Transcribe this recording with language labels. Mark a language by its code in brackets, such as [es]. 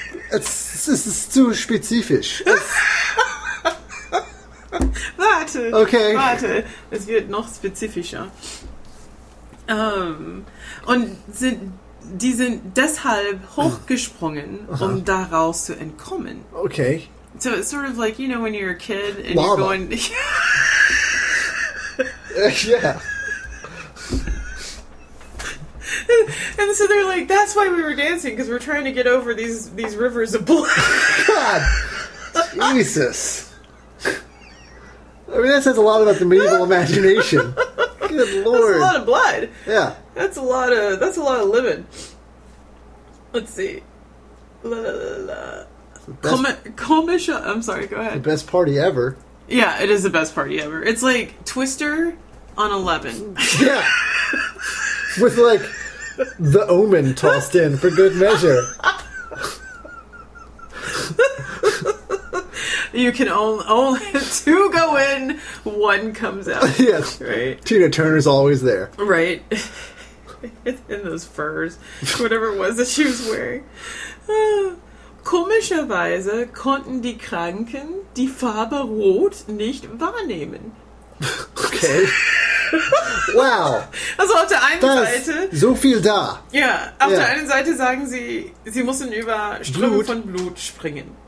[de] Es ist zu spezifisch. Warte. Okay. Warte. Es wird noch spezifischer. Und die sind deshalb hochgesprungen, um daraus zu entkommen. Okay. [en] So it's sort of like, you know, when you're a kid and Lava. You're going... yeah. And so they're like, that's why we were dancing, because we're trying to get over these rivers of blood. God! Jesus! I mean, that says a lot about the medieval imagination. Good lord. That's a lot of blood. Yeah. That's a lot of living. Let's see. La, la, la, la. I'm sorry, go ahead. The best party ever. Yeah, it is the best party ever. It's like Twister on 11. Yeah! With like... The Omen tossed in for good measure. You can only two go in, one comes out. Yes. Right. Tina Turner's always there. Right. In those furs, whatever it was that she was wearing. Komischerweise konnten die Kranken die Farbe Rot nicht wahrnehmen. Okay. Wow. [de] Also auf der einen Seite... So viel da. Ja, auf der einen Seite sagen sie, sie müssen über Ströme von Blut springen.